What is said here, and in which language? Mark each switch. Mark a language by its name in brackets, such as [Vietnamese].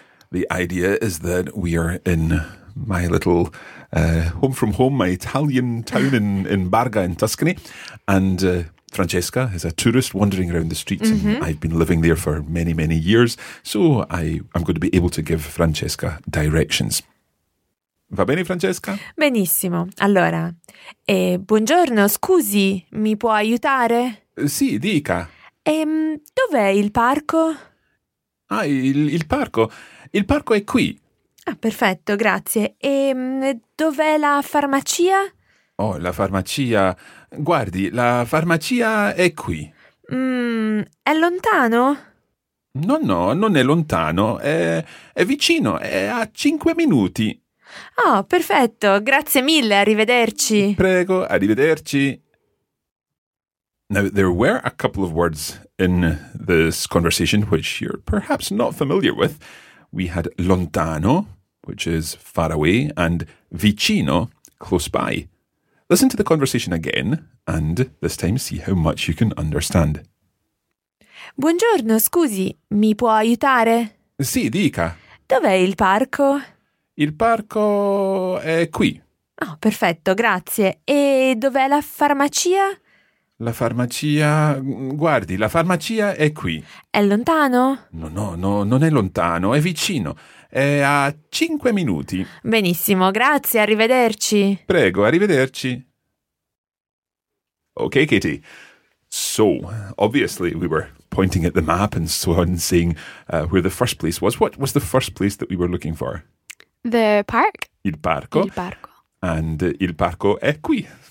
[English] The idea is that we are in my little home from home, my Italian town in Barga in Tuscany, and Francesca is a tourist wandering around the streets, mm-hmm. and I've been living there for many, many years, so I'm going to be able to give Francesca directions. [Italian] Va bene, Francesca? Benissimo. Allora, buongiorno, scusi, mi può aiutare? Sì, dica. Dov'è il parco? Ah, il parco? Il parco è qui. Ah, perfetto, grazie. E dov'è la farmacia? Oh, la farmacia... Guardi, la farmacia è qui. È lontano? No, non è lontano. È vicino, è a 5 minuti. Oh, perfetto. Grazie mille. Arrivederci. Prego, arrivederci. [English] Now, there were a couple of words in this conversation which you're perhaps not familiar with. We had lontano, which is far away, and vicino, close by. Listen to the conversation again, and this time see how much you can understand. [Italian] Buongiorno, scusi, mi può aiutare? Sì, dica. Dov'è il parco? Il parco è qui. Oh, perfetto, grazie. E dov'è la farmacia? La farmacia... Guardi, la farmacia è qui. È lontano? No, non è lontano, è vicino. È a 5 minuti. Benissimo, grazie, arrivederci. Prego, arrivederci. [English] Okay, Katie. So, obviously, we were pointing at the map and so on, saying where the first place was. What was the first place that we were looking for? The park? [Italian] Il parco. Il parco. And il parco è qui.